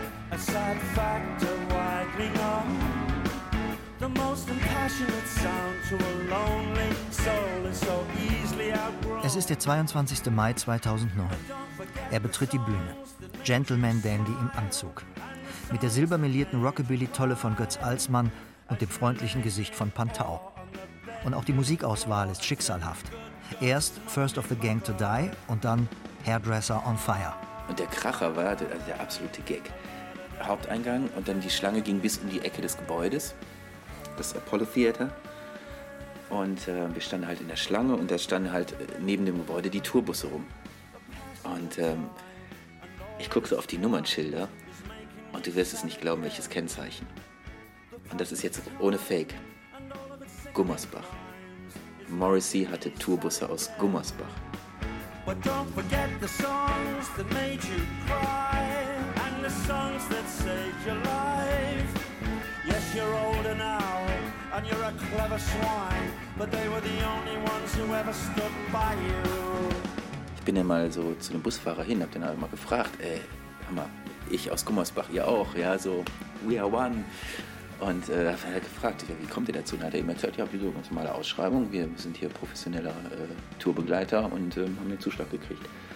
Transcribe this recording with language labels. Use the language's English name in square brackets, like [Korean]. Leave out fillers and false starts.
[English] A sad fact of widening up. The most impassionate sound to a lonely soul is so easily outgrown. [German] Es ist der 22. Mai 2009. Er betritt die Bühne. Gentleman Dandy im Anzug. Mit der silbermelierten Rockabilly-Tolle von Götz Alsmann und dem freundlichen Gesicht von Pantau. Und auch die Musikauswahl ist schicksalhaft. Erst First of the Gang to Die und dann Hairdresser on Fire. Und der Kracher war der absolute Gag. Haupteingang und dann die Schlange ging bis um die Ecke des Gebäudes. Das Apollo Theater. Und wir standen halt in der Schlange und da standen halt neben dem Gebäude die Tourbusse rum. Und ich gucke so auf die Nummernschilder und du wirst es nicht glauben, welches Kennzeichen. Und das ist jetzt ohne Fake. Gummersbach. Morrissey hatte Tourbusse aus Gummersbach. [English] But don't forget the songs that made you cry and the songs that saved your life. Yes, you're older now and you're a clever swine, but they were the only ones who ever stood by you. [German] Ich bin ja mal so zu einem Busfahrer hin, hab den halt mal gefragt, ey, Hammer, ich aus Gummersbach, ihr auch, ja, so, [English] we are one. [German] Und da hat er gefragt, wie kommt ihr dazu? Und hat er ihm erzählt, ja, wieso, ganz normale Ausschreibung. Wir sind hier professioneller Tourbegleiter und haben den Zuschlag gekriegt.